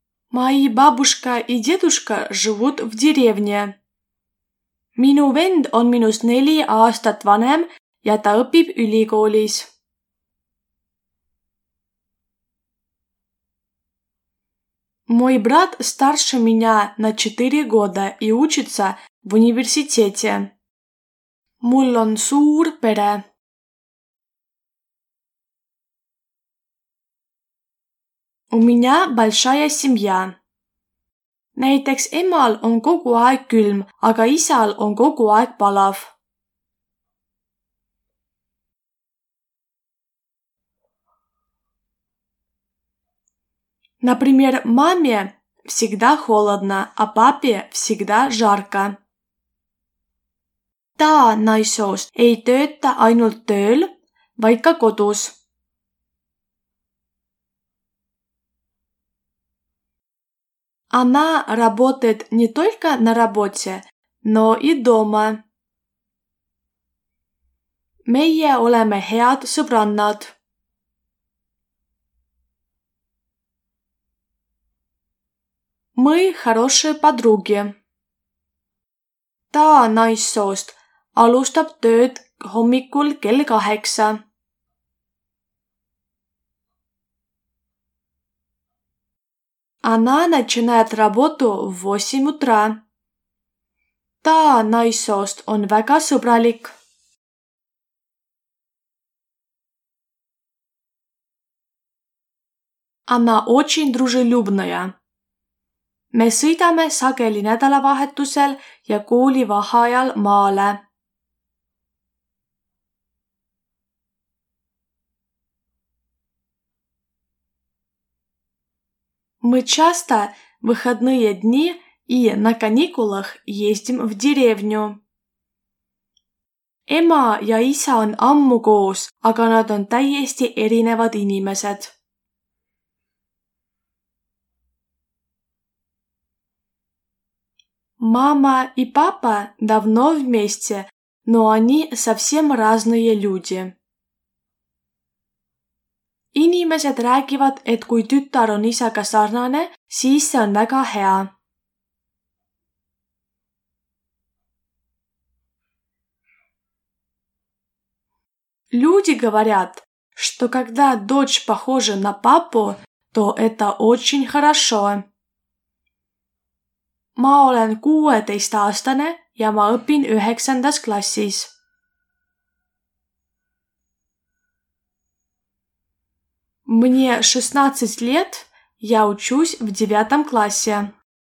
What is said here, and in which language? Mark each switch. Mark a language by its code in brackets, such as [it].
[ru] Мои бабушка и дедушка живут в деревне. [et] Minu vend on minus 4 aastat vanem ja ta õpib ülikoolis. [ru] Мой брат старше меня на 4 года и учится в университете. [et] Mul on suur pere. [ru] У меня большая семья. [et] Näiteks emal on kogu aeg külm, aga isal on kogu aeg palav. [ru] Например, маме всегда холодно, а папе всегда жарко. [et] Ta naisoost ei tööta ainult tööl, vaid ka kodus. [ru] Она работает не только на работе, но и дома. [et] Meie oleme head sõbrannad. [ru] Мы хорошие подруги. [et] Ta naissoost alustab tööd hommikul 8. [ru] Она начинает работу в 8 утра. [et] Ta naissoost on väga sõbralik. [ru] Она очень дружелюбная. [et] Me sõidame sageli nädalavahetusel ja kooli vaheajal maale. [ru] Мы часто выходные дни и на каникулах ездим в деревню. [et] Ema ja isa on ammu koos, aga nad on täiesti erinevad inimesed. [ru] Мама и папа давно вместе, но они совсем разные люди. [et] Inimesed räägivad, et kui tütar on isaga sarnane, siis see on väga hea. [ru] Люди говорят, что когда дочь похожа на папу, то это очень хорошо. [et] Ma olen 16-aastane ja ma õpin 9. klassis. [ru] Мне 16 лет, я учусь в 9 классе.